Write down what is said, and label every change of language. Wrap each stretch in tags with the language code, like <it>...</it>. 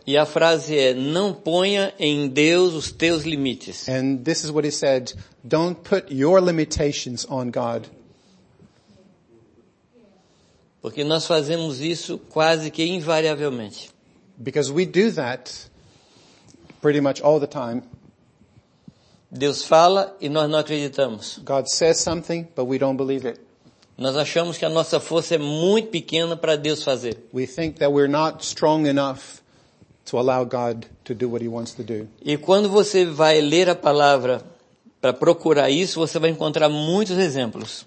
<pt>E a frase é: não ponha em Deus os teus limites.</pt> <en>And this is what he said: don't put your limitations on God.</en> <pt>Porque nós fazemos isso quase que invariavelmente.</pt> <en>Because we do that pretty much all the time.</en> <pt>Deus fala e nós não acreditamos.</pt> <en>God says something, but we don't believe it.</en> <pt>Nós achamos que a nossa força é muito pequena para Deus fazer.</pt> <en>We think that we're not strong enough to allow God to do what he wants to do.</en> <pt>E quando você vai ler a palavra para procurar isso, você vai encontrar muitos exemplos.</pt>